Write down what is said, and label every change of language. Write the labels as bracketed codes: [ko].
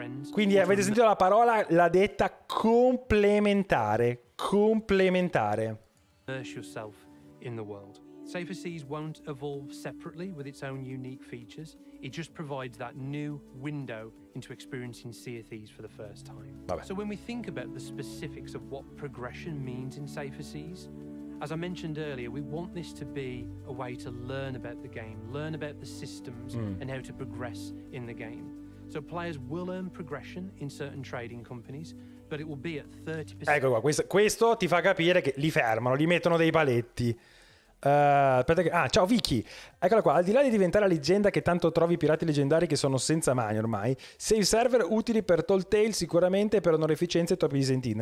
[it] Quindi avete sentito la parola, l'ha detta, complementare. [en] Immerse yourself in the world. Safer Seas won't evolve separately with its own unique features. It just provides that new window into experiencing Sea of Thieves for the first time. [it] Vabbè. [en] So when we think about the specifics of what progression means in Safer Seas, as I mentioned earlier, we want this to be a way to learn about the game, learn about the systems and how to progress in the game. So players will earn progression in certain trading companies, but it will be at 30%. [it] Ecco qua, questo ti fa capire che li fermano, li mettono dei paletti. Ciao Vicky. Eccola qua. Al di là di diventare la leggenda che tanto trovi i pirati leggendari che sono senza mani ormai, save server utili per Tall Tale sicuramente, per onorificenza e troppi disentini.